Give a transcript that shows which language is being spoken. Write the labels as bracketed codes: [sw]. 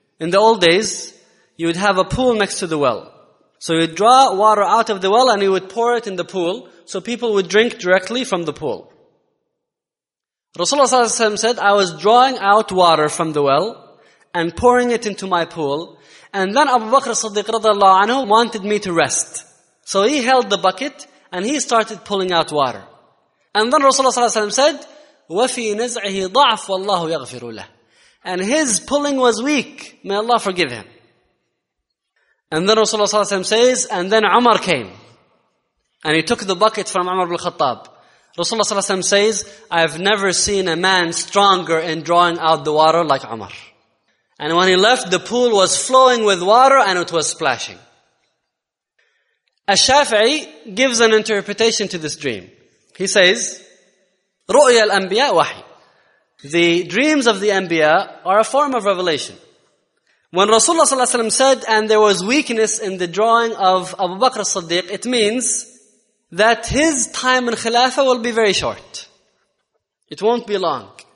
[en] In the old days, you would have a pool next to the well. So you'd draw water out of the well and you would pour it in the pool so people would drink directly from the pool. Rasulullah صلى الله عليه وسلم said, I was drawing out water from the well and pouring it into my pool. And then Abu Bakr as-Siddiq radiallahu anhu wanted me to rest. So he held the bucket and he started pulling out water. And then Rasulullah [ar] صلى الله عليه وسلم [en] said, [ar] وَفِي نَزْعِهِ ضَعْفْ وَاللَّهُ يَغْفِرُ لَهُ. [en] And his pulling was weak. May Allah forgive him. And then Rasulullah صلى الله عليه وسلم says, and then Umar came. And he took the bucket from Umar ibn al-Khattab. Rasulullah صلى الله عليه وسلم says, I've never seen a man stronger in drawing out the water like Umar. And when he left, the pool was flowing with water and it was splashing. Al-Shafi'i gives an interpretation to this dream. He says, [ar] رؤيا الأنبياء وحي. [en] The dreams of the Anbiya are a form of revelation. When Rasulullah صلى الله عليه وسلم said, and there was weakness in the drawing of Abu Bakr as-Siddiq, it means that his time in Khilafah will be very short. It won't be long.